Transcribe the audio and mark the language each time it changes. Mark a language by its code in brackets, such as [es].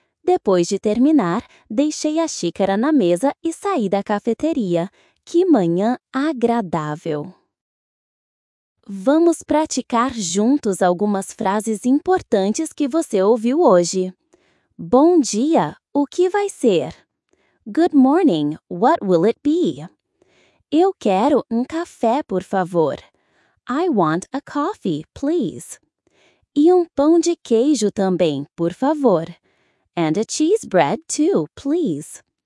[pt] Depois de terminar, deixei a xícara na mesa e saí da cafeteria. Que manhã agradável! Vamos praticar juntos algumas frases importantes que você ouviu hoje. Bom dia, o que vai ser? [en] Good morning, what will it be? [pt] Eu quero um café, por favor. [en] I want a coffee, please. [pt] E um pão de queijo também, por favor. [en] And a cheese bread, too, please.